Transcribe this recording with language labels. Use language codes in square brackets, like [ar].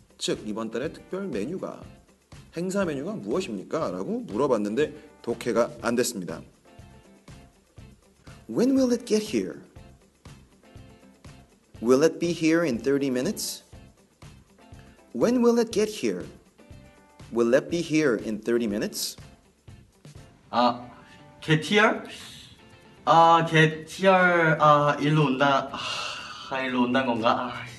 [ko] 즉, 이번 달의 특별 메뉴가, 행사 메뉴가 무엇입니까? 라고 물어봤는데 독해가 안 됐습니다. [en] When will it get here? Will it be here in 30 minutes? When will it get here? Will it be here in 30 minutes? Get here? Get here, [ko] 일로 온다는 건가?